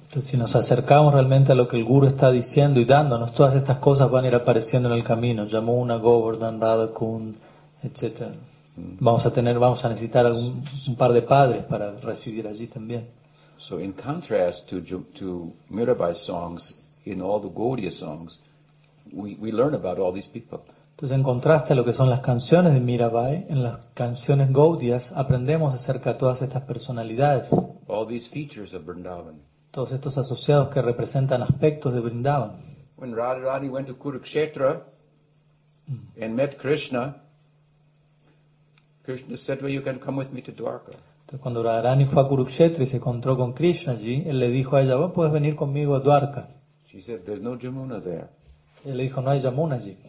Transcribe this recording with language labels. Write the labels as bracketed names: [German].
[Spanish] Entonces, si nos acercamos realmente a lo que el Guru está diciendo y dándonos, todas estas cosas van a ir apareciendo en el camino. Yamuna, Govardhan, Radha Kund, etc. Vamos a necesitar un par de padres para recibir allí también. [English] So in contrast to Mirabai's songs, in all the Gaudiya songs, we learn about all these people. [Spanish] Entonces, en contraste a lo que son las canciones de Mirabai, en las canciones Gaudias aprendemos acerca de todas estas personalidades. [English] All these features of Vrindavan. [Spanish] Todos estos asociados que representan aspectos de Vrindavan. [English] When Radharani went to Kurukshetra and met Krishna, Krishna said, well, you can come with me to Dwarka. [Spanish] Entonces, cuando Radharani fue a Kurukshetra y se encontró con Krishna allí, él le dijo a ella, vos puedes venir conmigo a Dwarka. [English] She said, there's no Yamuna there. [Spanish] Y él le dijo, no hay Yamuna allí.